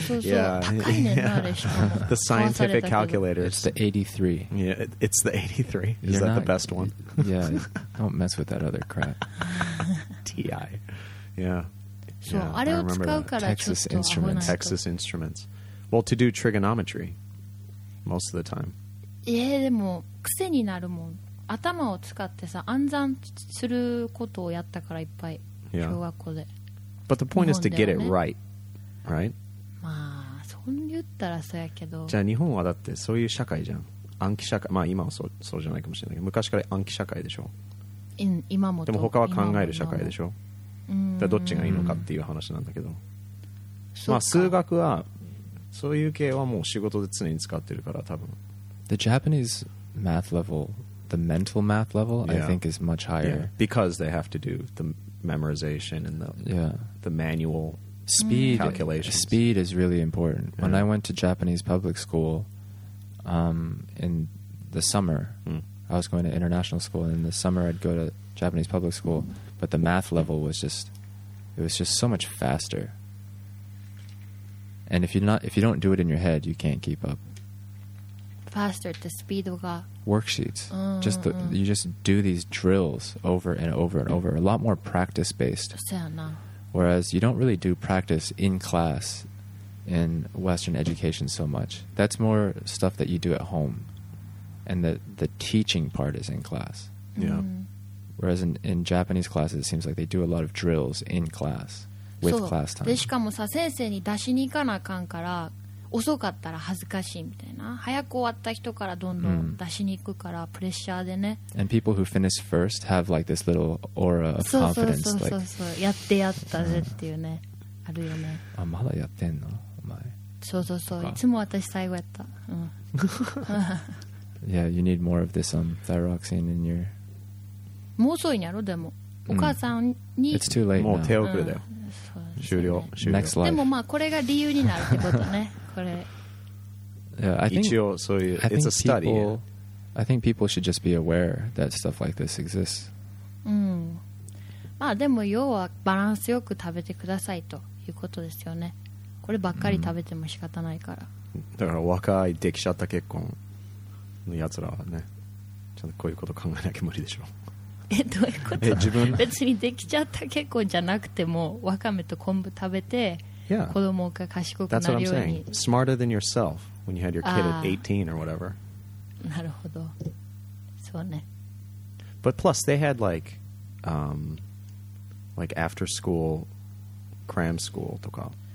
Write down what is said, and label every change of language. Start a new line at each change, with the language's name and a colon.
Japanese: そうそう。
English: Yeah.
Japanese: 高いねんな、あれし
English: か。The scientific calculator. It's the 83. Yeah, it's the 83. Is that the best one? Yeah, don't mess with that other crap. TI. Yeah. So,
Japanese: あれを使うからちょっと危ない。
English: Texas Instruments. Texas Instruments. Well, to do trigonometry, most of the time. Yeah,
Japanese: でも癖になるもん。頭を使ってさ、暗算することをやったからいっぱい、小学校で。
English: But the point is to get it right, right?
Japanese: まあ、そう言ったらそうやけど。じゃあ日本はだってそういう社会じゃん。暗記社会。まあ今はそうじゃないかもしれないけど、昔から暗記社会でしょ。今もと。でも他は考える社会でしょ。じゃあどっちがいいのかっていう話なんだけど。まあ数学は、そういう系はもう仕事で常に使ってるから多分。
English: The Japanese math level, the mental math level, I think is much higher. Yeah. Because they have to do the memorization and the manual speed calculations. Speed is really important. Yeah. When I went to Japanese public school in the summer, I was going to international school, and in the summer I'd go to Japanese public school, but the math level was just, it was just so much faster. And if you don't do it in your head, you can't keep up. Faster, the speed が worksheets. You just do these drills over and over and over. A lot more practice based. Whereas you don't really do practice in class in Western education so much. That's more stuff that you do at home, and the teaching part is in class. Yeah. Whereas in Japanese classes, it seems like they do a lot of drills in class with class time.
Japanese: でしかもさ、先生に出しに行かなあかんから。遅かったら恥ずかしいみたいな。早く終わった人からどんどん出しに行くからプレッシャーでね。
English: And people who finish first have like this little aura of confidence.
Japanese: そうそうそうそう。
English: Like,
Japanese: やってやったぜっていうね。あるよね。あ、まだやってんのお前。そうそうそう。いつも私最後やった。
English: Yeah, you need more of this thyroxine in your...
Japanese: もう遅いんやろ、でも。お母さんに。
English: It's too late now.
Japanese: もう手遅れだよ。終了。
English: Next life.
Japanese: でもまあこれが理由になるってことね。
English: Yeah, I think,
Japanese: 一応そういう
English: I think it's a study. People, I think people should just be aware that stuff like this exists.
Japanese: まあでも要はバランスよく食べてくださいということですよね。こればっかり食べても仕方ないから。だから若いできちゃった結婚のやつらはね、ちゃんとこういうこと考えなきゃ無理でしょ。どういうこと？自分別にできちゃった結婚じゃなくてもわかめと昆布食べて、
English: yeah.
Japanese: 子供が賢くなるように。
English: That's what I'm saying. Smarter than yourself when you had your kid at 18 or whatever.
Japanese: なるほど。そうね。
English: But plus they had like, like after school, cram school とか。